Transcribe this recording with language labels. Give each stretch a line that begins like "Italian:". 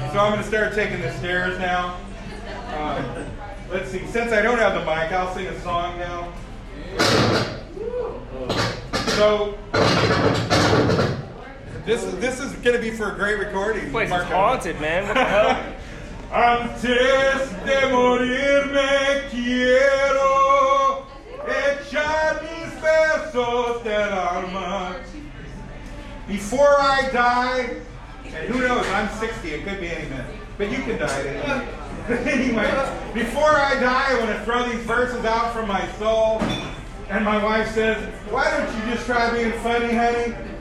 English: So I'm going to start taking the stairs now. Let's see, since I don't have the mic, I'll sing a song now. So this is going to be for a great recording. This place is haunted, man. What the hell?
Spanish: Antes de morir me quiero echar mis besos del alma.
English: Before I die, and who knows, I'm 60, it could be any minute, but you could die then. Anyway, before I die, I want to throw these verses out from my soul. And my wife says, why don't you just try being funny, honey?